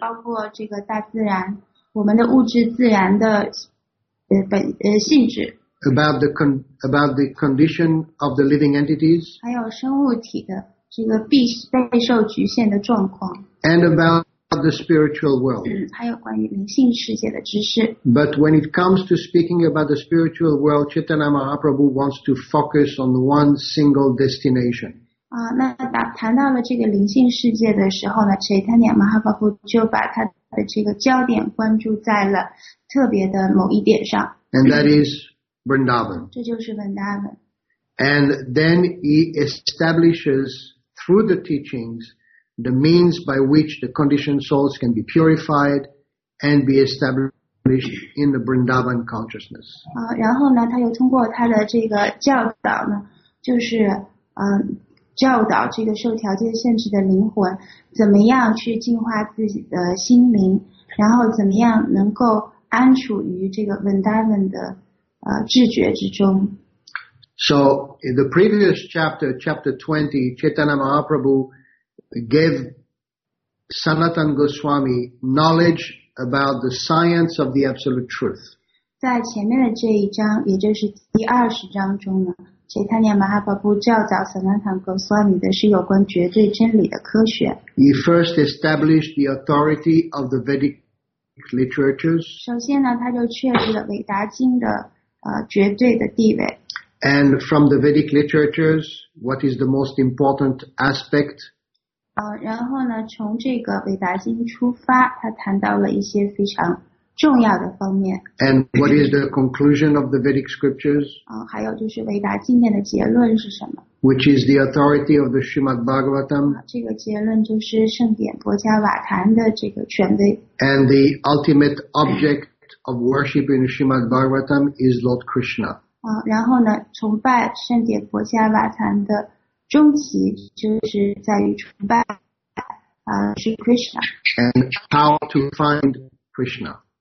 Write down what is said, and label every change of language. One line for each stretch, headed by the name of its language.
Chinese: 包括这个大自然，我们的物质自然的性质。
English: About the condition of the living entities.
Chinese: 还有生物体的这个备受局限的状况。
English: And about the spiritual world.
Chinese: 还有关于灵性世界的知识。
English: But when it comes to speaking about the spiritual world, Chaitanya Mahaprabhu wants to focus on one single destination.
Chinese: 那谈到了这个灵性世界的时候呢， Chaitanya Mahaprabhu 就把他的这个焦点关注在了特别的某一点上。
English: And that is Vrindavan.
Chinese: 这就是 Vrindavan.
English: And then he establishes through the teachings the means by which the conditioned souls can be purified and be established in the Vrindavan consciousness.
Chinese: 然后呢，他又通过他的这个教导呢，就是教导这个受条件限制的灵魂怎么样去净化自己的心灵，然后怎么样能够安处于这个 Vrindavan 的智觉之中。
English: So in the previous chapter, chapter 20, Chaitanya Mahaprabhu gave Sanatan Goswami knowledge about the science of the absolute truth.
Chinese: 在前面的这一章，也就是第二十章中呢，Chaitanya Mahaprabhu 教导 Sanatan Goswami 的是有关绝对真理的科学。
English: He first established the authority of the Vedic literatures.
Chinese: 首先呢，他就确立了韦达经的绝对的地位。
English: And from the Vedic literatures, what is the most important aspect?
Chinese: 然后呢，从这个韦达经出发，他谈到了一些非常重要的方面。
English: And what is the conclusion of the Vedic scriptures?
Chinese: 还有就是韦达经典的结论是什么
English: ？Which is the authority of the Srimad Bhagavatam?
Chinese: 这个结论就是圣典薄伽瓦坛的这个权威。
English: And the ultimate object of worship in Srimad Bhagavatam is Lord Krishna.
Chinese: 然后呢，崇拜圣典薄伽瓦坛的终极就是在于崇拜是 Krishna.
English: And how to find Krishna.